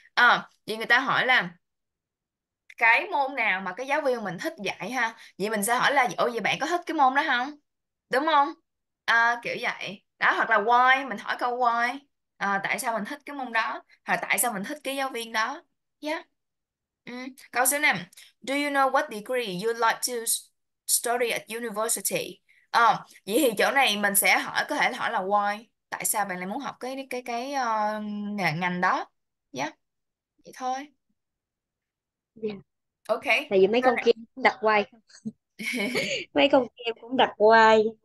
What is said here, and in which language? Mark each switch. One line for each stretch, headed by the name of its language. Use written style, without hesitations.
Vietnamese: À, vậy người ta hỏi là cái môn nào mà cái giáo viên mình thích dạy ha? Vậy mình sẽ hỏi là ủa vậy bạn có thích cái môn đó không? Đúng không? À, kiểu vậy. Đó, hoặc là why? Mình hỏi câu why. À, tại sao mình thích cái môn đó? Hoặc tại sao mình thích cái giáo viên đó? Yeah. Câu số 5.
English: Do you know what degree you like to study at university?
Vietnamese: Vậy thì chỗ này mình sẽ hỏi có thể hỏi là why, tại sao bạn lại muốn học cái ngành đó nhé. Vậy thôi.
English: Ok,
Vietnamese: Tại vì mấy câu con kia cũng đặt quay. này. Mấy con kia cũng đặt quay.